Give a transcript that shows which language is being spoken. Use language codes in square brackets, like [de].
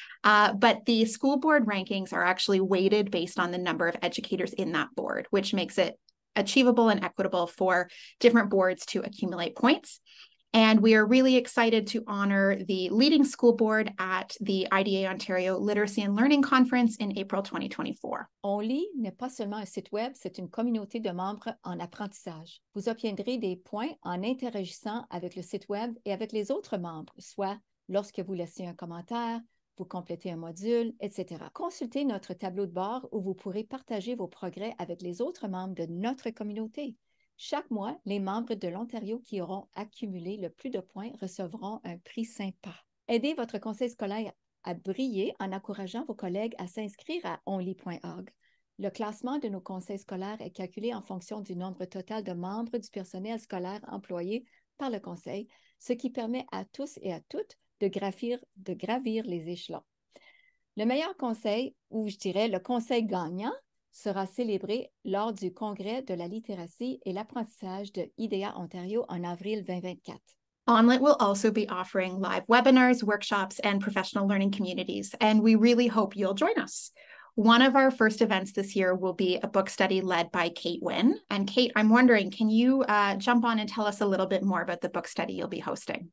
[en] But the school board rankings are actually weighted based on the number of educators in that board, which makes it achievable and equitable for different boards to accumulate points. And we are really excited to honor the leading school board at the IDA Ontario Literacy and Learning Conference in April 2024. [fr] ONlit n'est pas seulement un site web, c'est une communauté de membres en apprentissage. Vous obtiendrez des points en interagissant avec le site web et avec les autres membres, soit lorsque vous laissez un commentaire, vous complétez un module, etc. Consultez notre tableau de bord où vous pourrez partager vos progrès avec les autres membres de notre communauté. Chaque mois, les membres de l'Ontario qui auront accumulé le plus de points recevront un prix sympa. Aidez votre conseil scolaire à briller en encourageant vos collègues à s'inscrire à ONlit.org. Le classement de nos conseils scolaires est calculé en fonction du nombre total de membres du personnel scolaire employé par le conseil, ce qui permet à tous et à toutes de gravir les échelons. Le meilleur conseil, ou je dirais le conseil gagnant, sera célébré lors du Congrès de la littératie et l'apprentissage de IDEA Ontario en avril 2024. [en] ONlit will also be offering live webinars, workshops, and professional learning communities, and we really hope you'll join us. One of our first events this year will be a book study led by Kate Wynn. And Kate, I'm wondering, can you jump on and tell us a little bit more about the book study you'll be hosting?